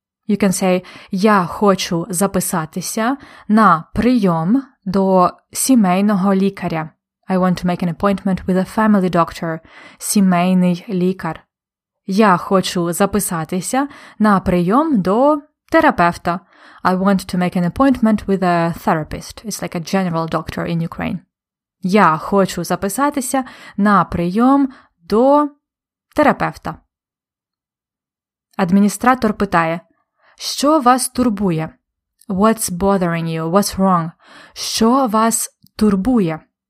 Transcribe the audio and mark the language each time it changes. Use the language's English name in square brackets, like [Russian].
[English] You can say [Ukrainian] «Я хочу записатися на прийом до сімейного лікаря». [English] I want to make an appointment with a family doctor, [Ukrainian] сімейний лікар. Я хочу записатися на прийом до терапевта. [English] I want to make an appointment with a therapist. It's like a general doctor in Ukraine. [Ukrainian] Я хочу записатися на прийом до терапевта. Адміністратор питає: «Що вас турбує?» [English] What's bothering you? What's wrong? [Ukrainian] Що вас турбує?